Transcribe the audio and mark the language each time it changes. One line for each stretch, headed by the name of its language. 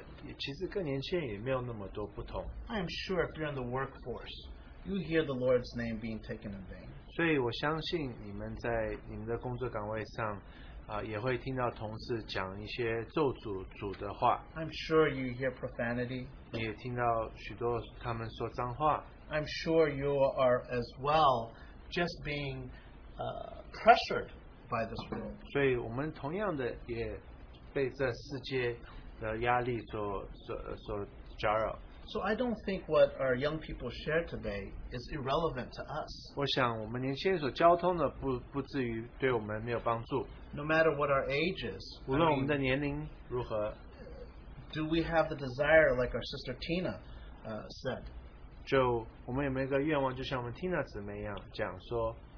Chinese: 所以我想我们在工作岗位上，我们所面对的其实跟年轻人也没有那么多不同。
English: I am sure if you're in the workforce, you hear the Lord's name being taken in vain.
Chinese: 所以我相信你们在你们的工作岗位上，也会听到同事讲一些咒诅主的话。
English: I'm sure you hear profanity.
Chinese: 你也听到许多他们说脏话。
English: I'm sure you are as well just being pressured by this world.
Chinese: 所以我们同样的也被这世界的压力所搅扰。
English: So I don't think what our young people share today is irrelevant to us.
Chinese: 我想我们年轻人所交通的不至于对我们没有帮助。
English: No matter what our age is,
Chinese: 无论我们的年龄如何,
English: do we have the desire like our sister Tina said?
Chinese: 就我们有没有一个愿望，就像我们Tina姊妹一样讲说,